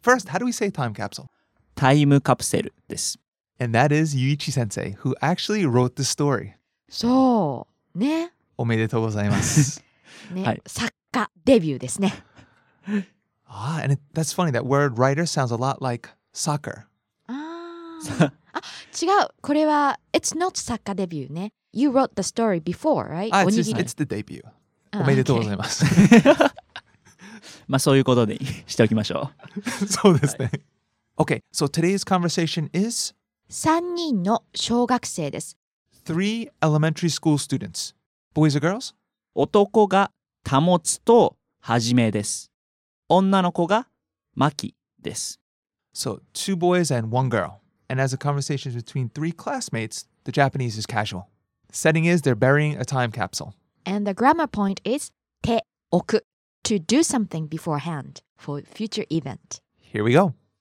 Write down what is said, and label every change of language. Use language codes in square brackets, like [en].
[en] First, how do we say time capsule? [ja] タイムカプセルです。 [en] And that is Yuichi Sensei, who actually wrote the story. [ja] そう。ね。おめでとうございます。ね、はい、作家デビューですね。 [en] Ah, and that's funny. That word writer sounds a lot like soccer. [ja] Ah, ah, 違う。これは [en] it's not soccer debut ね. You wrote the story before, right? Ah, it's the debut. [ja] Ah, おめでとうございます。 [en] Okay. [ja] まあそういうことにしておきましょう。そうですね。 [en] Okay, so today's conversation is [ja] 3人の小学生です。 [en] Three elementary school students. Boys or girls? [ja] 男が保つとはじめです。女の子がマキです。 [en] So, two boys and one girl. And as a conversation between three classmates, the Japanese is casual. Setting is they're burying a time capsule. And the grammar point is te oku, to do something beforehand for future event. Here we go.